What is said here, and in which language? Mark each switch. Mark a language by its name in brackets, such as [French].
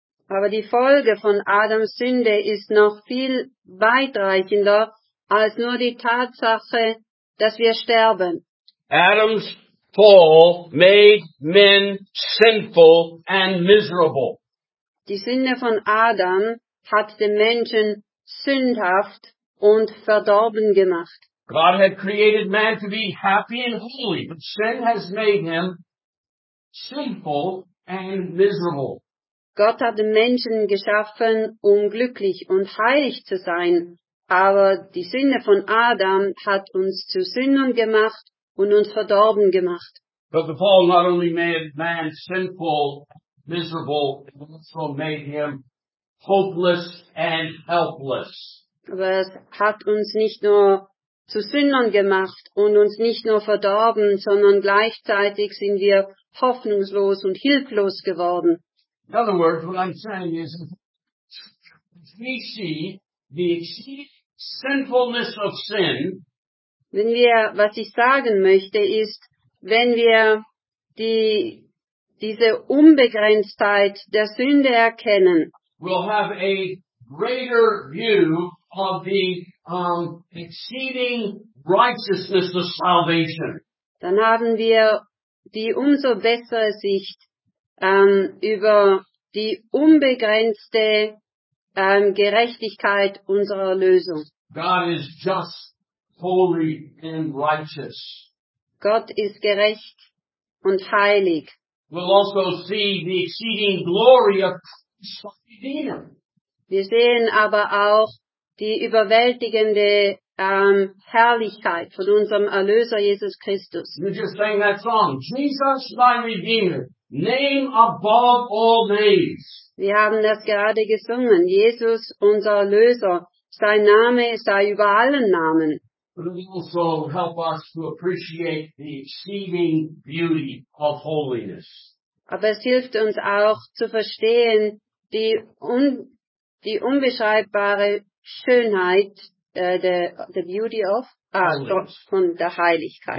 [German] Aber die Folge von Adams Sünde ist noch viel weitreichender als nur die Tatsache, dass wir sterben. [English] Adams Fall made men sinful and miserable. [German] Die Sünde von Adam hat den Menschen sündhaft und verdorben gemacht. [English] God had created man to be happy and holy, but sin has made him sinful and miserable. [German] Gott hat den Menschen geschaffen, um glücklich und heilig zu sein, aber die Sünde von Adam hat uns zu Sündern gemacht und uns verdorben gemacht. [English] But the fall not only made man sinful, miserable, it also made him hopeless and helpless. [German] Aber es hat uns nicht nur zu Sündern gemacht und uns nicht nur verdorben, sondern gleichzeitig sind wir hoffnungslos und hilflos geworden. [English] In other words, what I'm saying is, if we see the exceeding sinfulness of sin, [German] wenn wir, was ich sagen möchte, ist, wenn wir diese Unbegrenztheit der Sünde erkennen, [English] we'll have a greater view of the exceeding righteousness of salvation. [German] Dann haben wir die umso bessere Sicht über die unbegrenzte Gerechtigkeit unserer Lösung. [English] God is just, holy and righteous. [German] Gott ist gerecht und heilig. [English] We'll also see the exceeding glory of Christ's Redeemer. [German] Wir sehen aber auch die überwältigende Herrlichkeit von unserem Erlöser Jesus Christus. [English] You just sang that song, Jesus, my Redeemer, name above all names. [German] Wir haben das gerade gesungen, Jesus, unser Erlöser, sein Name sei über allen Namen. [English] But it will also help us to appreciate the exceeding beauty of holiness. [German] Aber es hilft uns auch zu verstehen die unbeschreibbare Schönheit [English] the beauty of God, [German] von der Heiligkeit.